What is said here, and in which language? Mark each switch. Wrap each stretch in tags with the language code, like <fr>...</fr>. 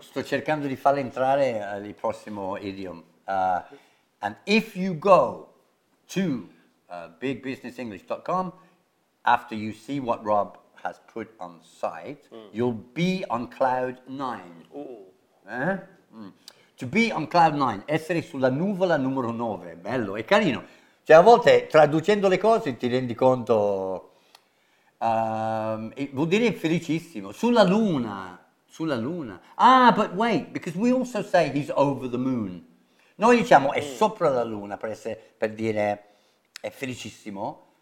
<it>Sto cercando di farle entrare al prossimo idiom.</it> <en>And if you go to bigbusinessenglish.com, after you see what Rob has put on site, you'll be on cloud 9. Ooh. To be on cloud 9,</en> <it>essere sulla nuvola numero 9, bello, è carino. Cioè, a volte, traducendo le cose, ti rendi conto, vuol dire felicissimo. Sulla luna.</it> <en>Ah, but wait, because we also say he's over the moon.</en> <it>Noi diciamo, è sopra la luna, per dire, è felicissimo.</it>